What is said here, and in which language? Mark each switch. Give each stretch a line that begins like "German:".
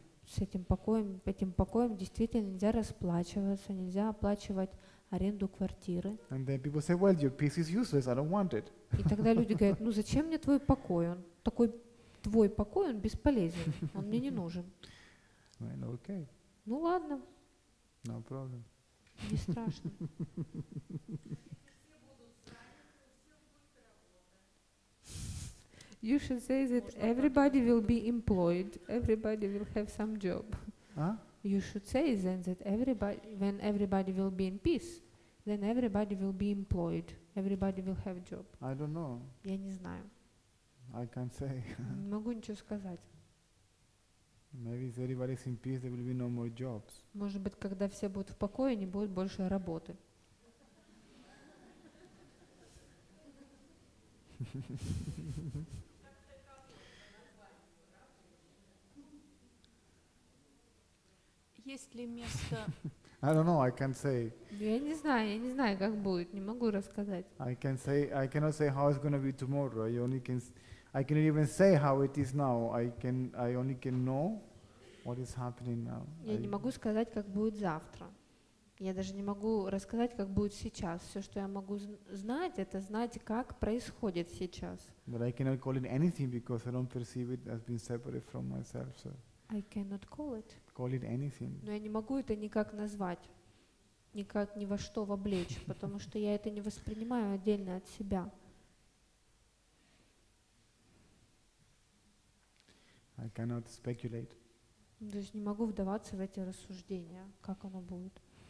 Russian: с этим покоем действительно нельзя расплачиваться, нельзя оплачивать аренду квартиры.
English: And then people say, well, your peace is useless, I don't want it.
Russian: И тогда люди говорят, ну зачем мне твой покой? Он такой, твой покой, он бесполезен, он мне не нужен.
English: Well, okay.
Russian: Ну ладно.
English: No problem.
Russian: Не страшно.
English: You should say that everybody will be employed, everybody will have some job. You should say then that everybody, when everybody will be in peace, then everybody will be employed, everybody will have job. I don't know.
Russian: Я не знаю.
English: I can't say.
Russian: Не могу ничего сказать.
English: Maybe if everybody is in peace, there will be no more jobs.
Russian: Может быть, когда все будут в покое, не будет больше работы. Есть ли место?
English: I don't know, I can't say.
Russian: Я не знаю, как будет, не могу рассказать.
English: I can say, I cannot say how it's going to be tomorrow. I cannot even say how it is now. I only can know what is happening now.
Russian: Я не могу сказать, как будет завтра. Я даже не могу рассказать, как будет сейчас. Все, что я могу знать, это знать, как происходит сейчас.
English: But I cannot call it anything because I don't perceive it as being separate from myself. So. I cannot call it. Call it anything.
Russian: Но я не могу это никак назвать, никак ни во что вовлечь, потому что я это не воспринимаю отдельно от себя.
English: I cannot speculate.
Russian: То есть не могу вдаваться в эти рассуждения, как оно будет.